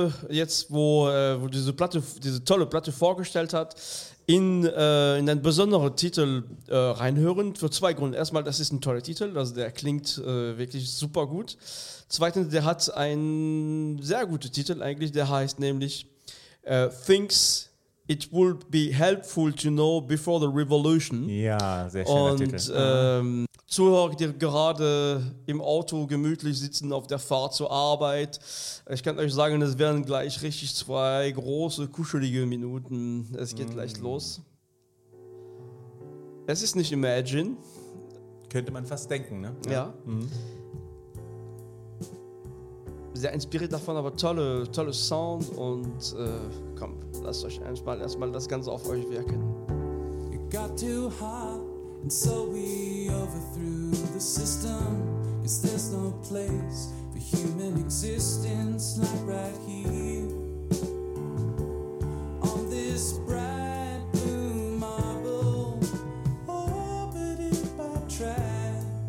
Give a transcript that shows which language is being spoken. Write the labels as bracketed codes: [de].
[de] Jetzt, wo diese Platte, diese tolle Platte vorgestellt hat, in einen besonderen Titel reinhören, für zwei Gründe. Erstmal, das ist ein toller Titel, also der klingt wirklich super gut. Zweitens, der hat einen sehr guten Titel eigentlich, der heißt nämlich Things [en] It would be helpful to know before the revolution. [de] Ja, sehr schöner und, Titel. Und Zuhörer, die gerade im Auto gemütlich sitzen auf der Fahrt zur Arbeit, ich kann euch sagen, es werden gleich richtig zwei große, kuschelige Minuten. Es geht gleich los. Es ist nicht Imagine. Könnte man fast denken, ne? Ja. Sehr inspiriert davon, aber tolle Sound und komm, lasst euch erstmal das Ganze auf euch wirken. [en] It got too hot and so we overthrew the system. Is there no place for human existence, not right here. On this bright blue marble, orbited by trash.